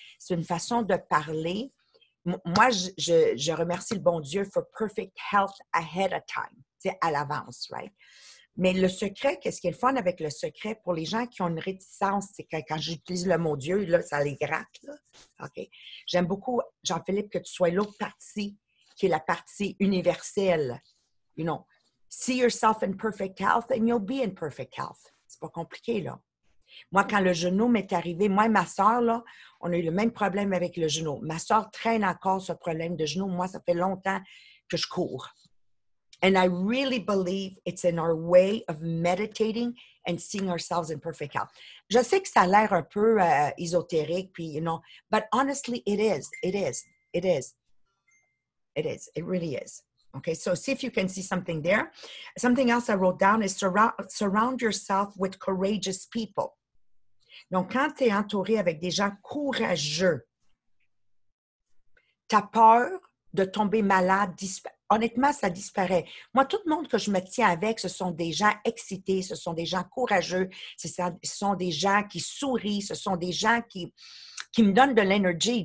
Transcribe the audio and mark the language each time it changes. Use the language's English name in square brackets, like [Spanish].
[French] C'est une façon de parler. Moi, je remercie le bon Dieu [English] for perfect health ahead of time, [French] c'est à l'avance, right? Mais le secret, qu'est-ce qui est le fun avec le secret pour les gens qui ont une réticence, c'est que quand j'utilise le mot Dieu, là, ça les gratte, là. OK. J'aime beaucoup, Jean-Philippe, que tu sois l'autre partie, qui est la partie universelle. [English] You know, see yourself in perfect health and you'll be in perfect health. [French] C'est pas compliqué, là. Moi, quand le genou m'est arrivé, moi et ma soeur, là, on a eu le même problème avec le genou. Ma soeur traîne encore ce problème de genou. Moi, ça fait longtemps que je cours. [English] And I really believe it's in our way of meditating and seeing ourselves in perfect health. [French] Je sais que ça a l'air un peu ésotérique, puis, [English] you know, but honestly, it is. It is. It is. It is. It really is. Okay, so see if you can see something there. Something else I wrote down is surround yourself with courageous people. [French] Donc, quand tu es entouré avec des gens courageux, ta peur de tomber malade, honnêtement, ça disparaît. Moi, tout le monde que je me tiens avec, ce sont des gens excités, ce sont des gens courageux, ce sont des gens qui sourient, ce sont des gens qui me donnent de l'énergie.